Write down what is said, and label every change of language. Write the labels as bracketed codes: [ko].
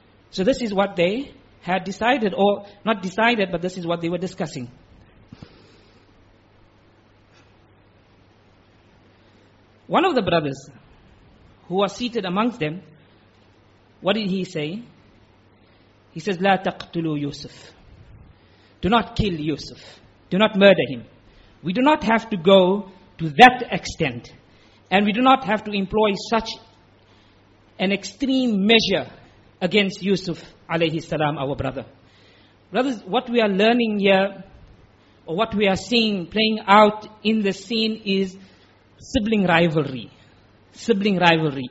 [en] So this is what they had decided, or not decided, but this is what they were discussing. One of the brothers who was seated amongst them, what did he say? He says, [ar] لَا تَقْتُلُوا يُوسُف. [en] Do not kill Yusuf. Do not murder him. We do not have to go to that extent. And we do not have to employ such an extreme measure against Yusuf, alayhi salam, our brother. Brothers, what we are learning here, or what we are seeing playing out in the scene is sibling rivalry. sibling rivalry.